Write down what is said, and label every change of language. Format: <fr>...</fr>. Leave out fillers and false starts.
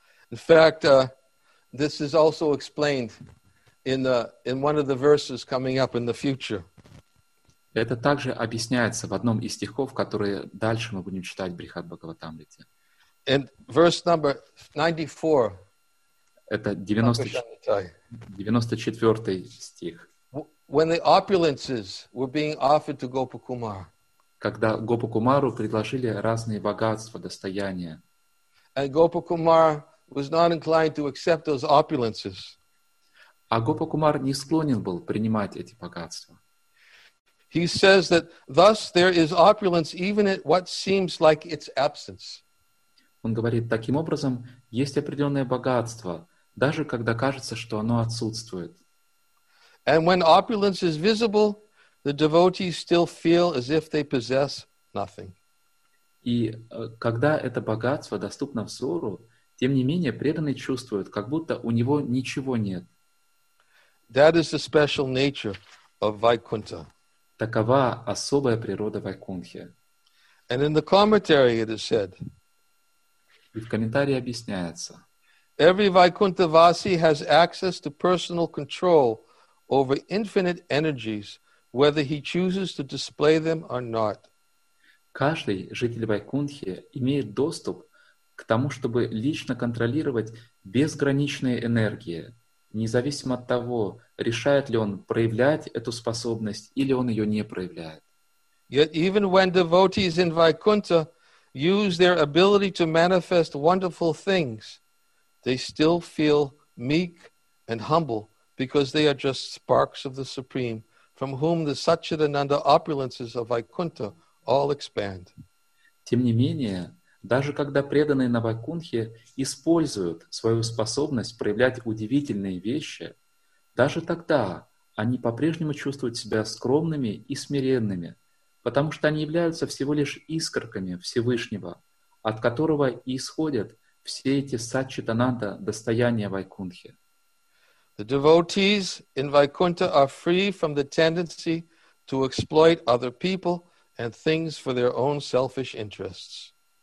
<en>In fact, this is also explained in one of the verses coming up in the future.</en> <ru>Это также объясняется в одном из стихов, которые дальше мы будем читать в Брихат-Бхагаватамрите.</ru> <en>And verse number 94.</en> <ru>Это 94 стих.</ru> <en>When the opulences were being offered to Gopakumar.</en> <ru>Когда Гопакумару предложили разные богатства, достояния.</ru> <en>And Gopakumar was not inclined to accept those opulences.</en> <ru>А Гопакумар не склонен был принимать эти богатства.</ru> <en>He says that thus there is opulence even at what seems like its absence.</en> <ru>Он говорит, таким образом, есть определенное богатство, даже когда кажется, что оно отсутствует.</ru> <en>And when opulence is visible, the devotees still feel as if they possess nothing.</en> <ru>И когда это богатство доступно взору, тем не менее преданный чувствует, как будто у него ничего нет.</ru> <en>That is the special nature of Vaikuntha.</en> <ru>Такова особая природа Вайкунтхи.</ru> <en>And in the commentary it is said.</en> <ru>И в комментарии объясняется.</ru> <en>Every Vaikunthavasi has access to personal control over infinite energies, whether he chooses to display them or not.</en> <ru>Каждый житель Вайкунтхи имеет доступ к тому, чтобы лично контролировать безграничные энергии, независимо от того, решает ли он проявлять эту способность или он ее не проявляет.</ru> <en>Yet even when devotees in Vaikuntha use their ability to manifest wonderful things, they still feel meek and humble because they are just sparks of the Supreme, from whom the Satchitananda opulences of Vaikuntha all expand.</en> <ru>Тем не менее, даже когда преданные на Вайкунтхе используют свою способность проявлять удивительные вещи, даже тогда они по-прежнему чувствуют себя скромными и смиренными, потому что они являются всего лишь искорками Всевышнего, от которого исходят все эти Сатчитананда достояния Вайкунтхи.</ru> <en>The devotees in Vaikuntha are free from the tendency to exploit other people and things for their own selfish interests.</en>